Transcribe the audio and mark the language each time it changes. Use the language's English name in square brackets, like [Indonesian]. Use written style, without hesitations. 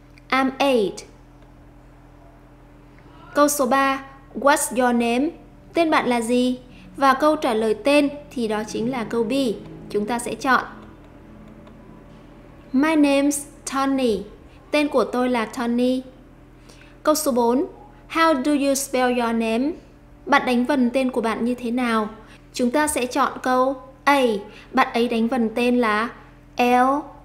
[English] I'm 8. [Vietnamese] Câu số 3. [English] What's your name? [Vietnamese] Tên bạn là gì? Và câu trả lời tên thì đó chính là câu B. Chúng ta sẽ chọn [English] My name's Tony. [Vietnamese] Tên của tôi là Tony. Câu số 4. [English] How do you spell your name? [Vietnamese] Bạn đánh vần tên của bạn như thế nào? Chúng ta sẽ chọn câu A. Bạn ấy đánh vần tên là L-I-N-D-A.